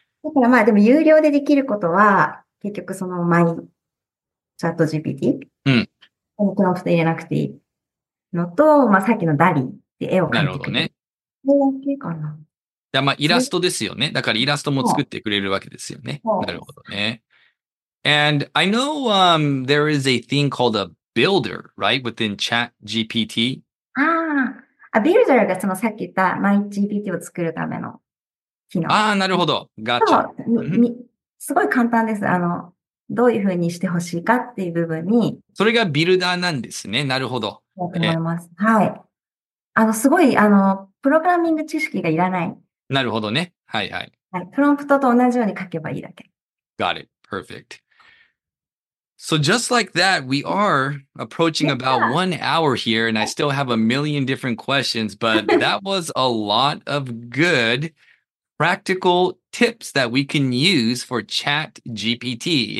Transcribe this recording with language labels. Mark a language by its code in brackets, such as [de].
[ja] だからまあでも有料でできることは、結局その前に、チャット GPT？うん。このクノフト入れなくていいのと、まあさっきのダリで絵を描いてくれる。なるほどね。それだけかな。まあ、イラストですよね。だからイラストも作ってくれるわけですよね。なるほどね。 [en] And I know, there is a thing called a builder, right, within ChatGPT. [ja] ああ、builder がそのさっき言った MyGPT を作るための機能。ああ、なるほど。 [en] Gotcha. [ja] すごい簡単です。どういうふうにしてほしいかっていう部分に。それがビルダーなんですね。なるほど。思います。はい。すごい、プログラミング知識がいらない。なるほどね。はいはい。はい。プロンプトと同じように書けばいいだけ。 [en] Got it. Perfect. So just like that, we are approaching about 1 hour here, and I still have a million different questions, but that was a lot of good practical tips that we can use for ChatGPT.